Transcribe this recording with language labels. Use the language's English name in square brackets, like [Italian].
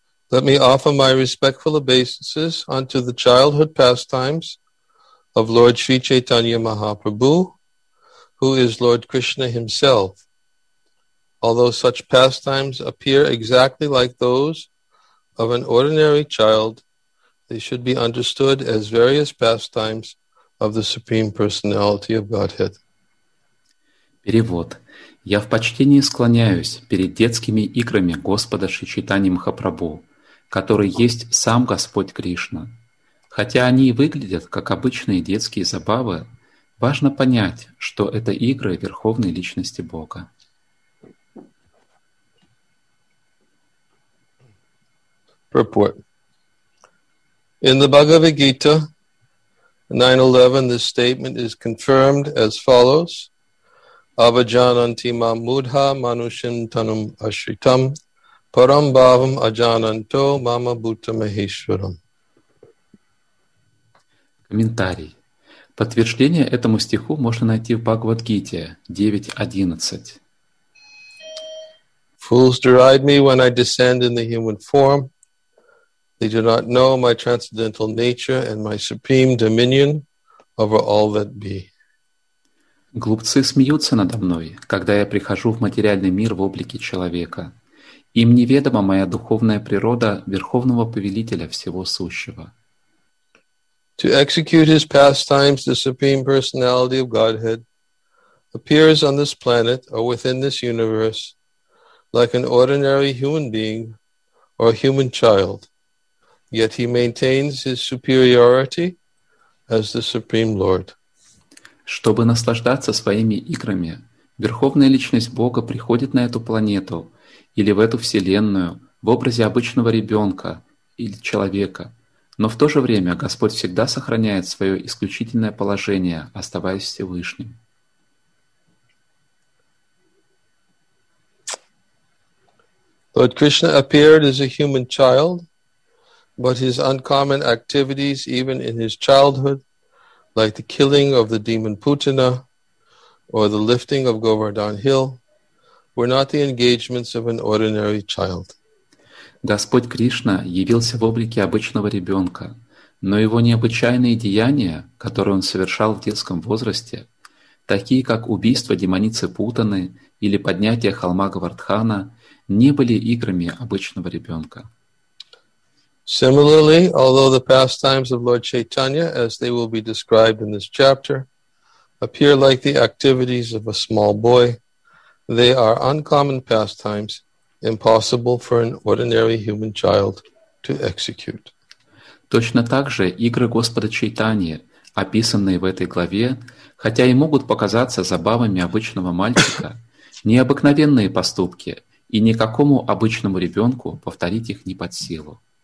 [English] Let me offer my respectful obeisances unto the childhood pastimes of Lord Sri Chaitanya Mahaprabhu, who is Lord Krishna himself. Although such pastimes appear exactly like those of an ordinary child, they should be understood as various pastimes of the Supreme Personality of Godhead. [Russian] Перевод. Я в почтении склоняюсь перед детскими играми Господа Шри Чайтаньи Махапрабху, который есть сам Господь Кришна. Хотя они и выглядят как обычные детские забавы, важно понять, что это игры Верховной Личности Бога. [English] Purport. In the Bhagavad Gita 9.11, this statement is confirmed as follows. [Sanskrit] Avajananti mam mudha manushin tanum ashritam param bhavam ajananto mama bhuta maheshwaram. [Russian] Комментарий. Подтверждение этому стиху можно найти в Бхагавад-гите 9.11. [English] Fools deride me when I descend in the human form. They do not know my transcendental nature and my supreme dominion over all that be. [Russian] Глупцы смеются надо мной, когда я прихожу в материальный мир в облике человека. Им неведома моя духовная природа Верховного Повелителя всего сущего. [English] To execute his pastimes, the Supreme Personality of Godhead appears on this planet or within this universe like an ordinary human being or human child, yet he maintains his superiority as the Supreme Lord. [Russian] Чтобы наслаждаться своими играми, Верховная Личность Бога приходит на эту планету или в эту Вселенную в образе обычного ребенка или человека. Но в то же время Господь всегда сохраняет свое исключительное положение, оставаясь Всевышним. [English] Lord Krishna appeared as a human child, but his uncommon activities, even in his childhood, like the killing of the demon Putana or the lifting of Govardhan Hill, were not the engagements of an ordinary child. [Russian] Господь Кришна явился в облике обычного ребенка, но его необычайные деяния, которые он совершал в детском возрасте, такие как убийство демоницы Путаны или поднятие холма Говардхана, не были играми обычного ребенка. [English] Similarly, although the pastimes of Lord Chaitanya, as they will be described in this chapter, appear like the activities of a small boy, they are uncommon pastimes, impossible for an ordinary human child to execute. [Russian] Точно так же игры Господа Чайтаньи, описанные в этой главе, хотя и могут показаться забавами обычного мальчика, необыкновенные поступки, и никакому обычному ребенку повторить их не под силу.